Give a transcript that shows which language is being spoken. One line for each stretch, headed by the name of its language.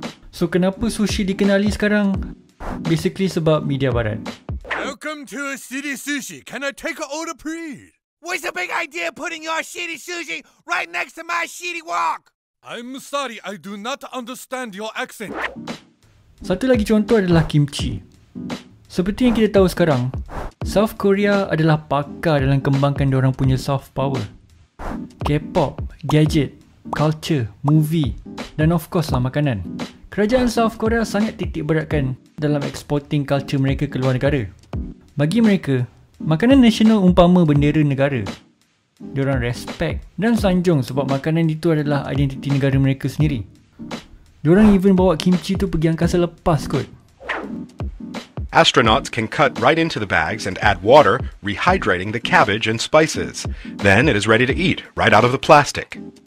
Malay: So kenapa sushi dikenali sekarang? Basically sebab media barat.
English: Welcome to a city sushi. Can I take an order please? What's the big idea putting your shitty sushi right next to my shitty wok? I'm sorry, I do not understand your accent.
Malay: Satu lagi contoh adalah kimchi. Seperti yang kita tahu sekarang, South Korea adalah pakar dalam kembangkan diorang punya soft power. K-pop, gadget culture, movie dan of course lah makanan. Kerajaan South Korea sangat titik beratkan dalam exporting culture mereka ke luar negara. Bagi mereka, makanan nasional umpama bendera negara. Diorang respect dan sanjung sebab makanan itu adalah identiti negara mereka sendiri. Diorang even bawa kimchi tu pergi angkasa lepas kot.
English: Astronauts can cut right into the bags and add water, rehydrating the cabbage and spices. Then it is ready to eat right out of the plastic.